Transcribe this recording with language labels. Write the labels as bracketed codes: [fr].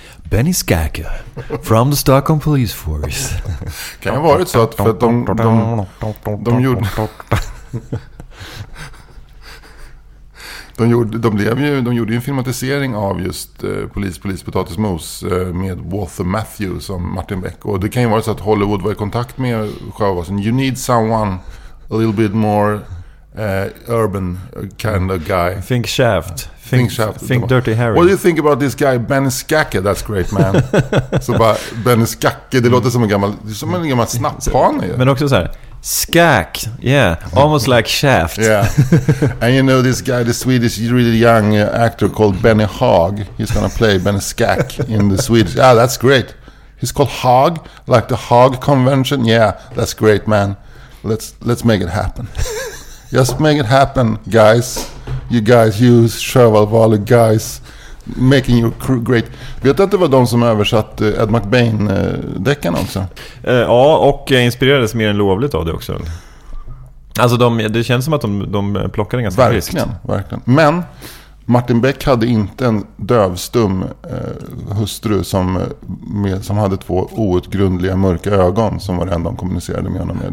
[en] Benny Skacke from the Stockholm Police Force. [sv] Kan ha varit så att, för att de gjorde de gjorde ju en filmatisering av just polis potatismos med Walter Matthews som Martin Beck, och det kan ju vara så att Hollywood var i kontakt med Sjöwasen. [en] You need someone a little bit more urban kind of guy. Think Shaft. Think Dirty Harry. What do you think about this guy Benny Skacke? That's great, man. [sv] Så bara Benny Skacke, det låter som en gammal snapphane. Men också så här, Skack. [en] Yeah, almost like Shaft. Yeah. And you know this guy, the Swedish really young actor called Benny Hogg. He's gonna play Benny Skacke in the Swedish. Yeah, that's great. He's called Hogg, like the Hogg convention. Yeah, that's great, man. Let's make it happen. Just make it happen, guys. You Cheval Valley guys making you crew great. [sv] Vet att det var de som översatt Ed McBain-däckarna också? Ja, och inspirerades mer än lovligt av det också. Alltså, det känns som att de plockade ganska friskt. Verkligen, verkligen. Men Martin Beck hade inte en dövstum hustru som hade två outgrundliga mörka ögon som var det enda de kommunicerade med honom med.